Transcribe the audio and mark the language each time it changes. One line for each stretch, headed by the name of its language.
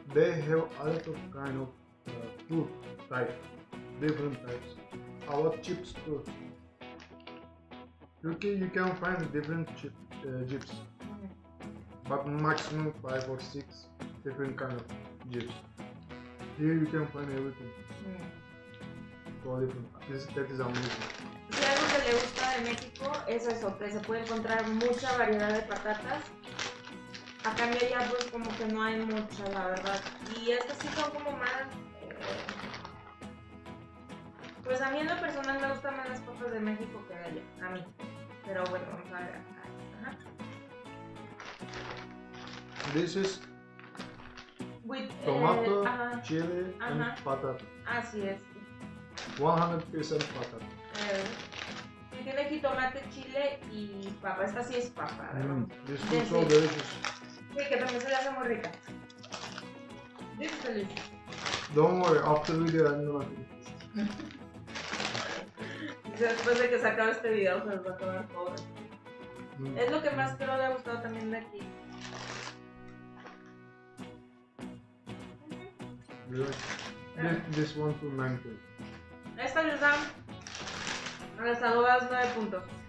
English: They have a lot of kind of food type, different types. Our chips too. Okay, you can find different chips, uh-huh. But maximum 5 or 6 different kind of chips. Here you can find everything. Uh-huh. All different. That is amazing.
Spanish: Si algo que le gusta de México es eso, que se puede encontrar mucha variedad de patatas. A cambio ya pues como que no hay mucha, la verdad. Y estas sí son como más... Pues a mí en lo personal me gustan más las papas de México que de allá, a mí. Pero bueno, vamos a ver. Ajá.
English: This is... With... Tomato, ajá. Chile, ajá. And patata.
Spanish: Así es. 100% patata. Sí, tiene jitomate, chile y papa. Esta sí es papa, ¿verdad?
English: Mm, this is delicious.
Spanish: Sí, que también se le hace muy rica.
English: This is delicious. Don't worry, after the video, I'm not going.
Spanish: Después de que se acabe este video, se los va a tomar pobre. Es lo que más creo que ha gustado también de aquí.
English: This one for 9.
Spanish: Esta les da... A las adobadas 9 puntos.